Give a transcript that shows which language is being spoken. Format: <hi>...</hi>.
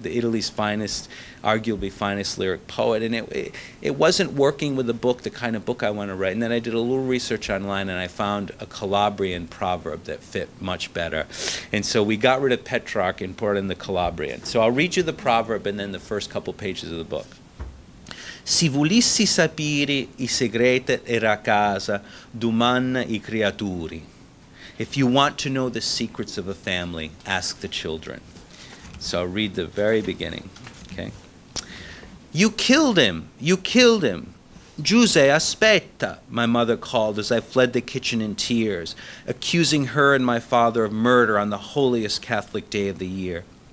<en>The Italy's finest, arguably finest lyric poet. And it wasn't working with the book, the kind of book I want to write. And then I did a little research online, and I found a Calabrian proverb that fit much better. And so we got rid of Petrarch and brought in the Calabrian. So I'll read you the proverb and then the first couple pages of the book.</en> <it>Si volessi sapere i segreti era a casa, domanda i creaturi.</it> <en>If you want to know the secrets of a family, ask the children. So I'll read the very beginning, okay? You killed him, you killed him.</en> <it>Giuseppe, aspetta,</it> <en>my mother called as I fled the kitchen in tears, accusing her and my father of murder on the holiest Catholic day of the year.</en>